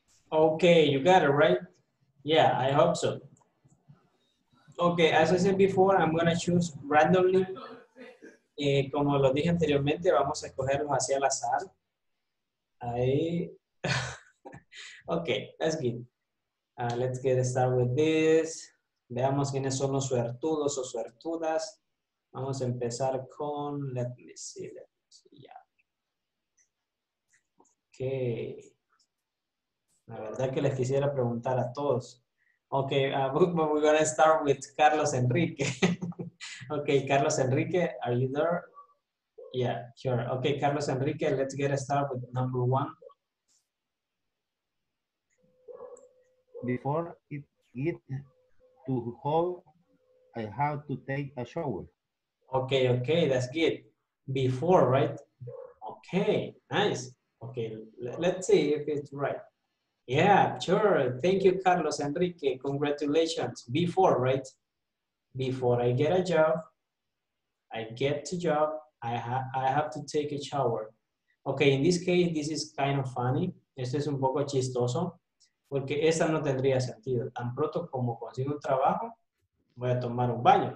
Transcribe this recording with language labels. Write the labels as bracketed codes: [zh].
[en] Okay, you got it, right? Yeah, I hope so. Okay, as I said before, I'm gonna choose randomly. [es] Como lo dije anteriormente, vamos a escogerlos hacia el azar. [en] Ahí. Okay, that's good. Let's get started with this. [es] Veamos quiénes son los suertudos o suertudas. Vamos a empezar con, [en] let me see, yeah. Okay. [es] La verdad que les quisiera preguntar a todos. [en] Okay, we're going to start with Carlos Enrique. Okay, Carlos Enrique, are you there? Yeah, sure. Okay, Carlos Enrique, let's get started with number one. Before it get to hold, I have to take a shower. Okay, okay, that's good. Before, right? Okay, nice. Okay, let's see if it's right. Yeah, sure. Thank you, Carlos Enrique. Congratulations. Before, right? Before I get a job, I get to job, I have to take a shower. Okay, in this case, this is kind of funny. [es] Esto es un poco chistoso, porque esa no tendría sentido. Tan pronto como consigo un trabajo, voy a tomar un baño.